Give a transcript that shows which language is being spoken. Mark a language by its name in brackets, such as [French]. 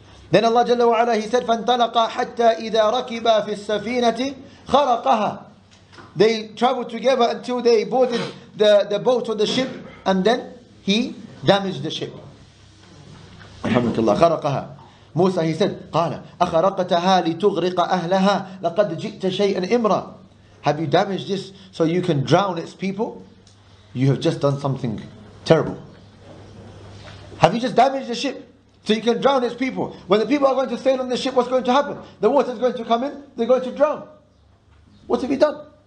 [English] Then Allah Jalla wa Ala, he said, [Arabic] فَانْتَلَقَ حَتَّى إِذَا رَكِبَ فِي السَّفِينَةِ خَرَقَهَا. [English] They traveled together until they boarded the boat or the ship, and then he damaged the ship. [Arabic] Alhamdulillah, خَرَقَهَا. [English] Musa, he said, [Arabic] قَالَ أَخَرَقَتَهَا لِتُغْرِقَ أَهْلَهَا لَقَدْ جِئْتَ شَيْئًا إِمْرًا. [English] Have you damaged this so you can drown its people? You have just done something terrible. Have you just damaged the ship so you can drown its people? When the people are going to sail on the ship, what's going to happen? The water is going to come in, they're going to drown. What have you done?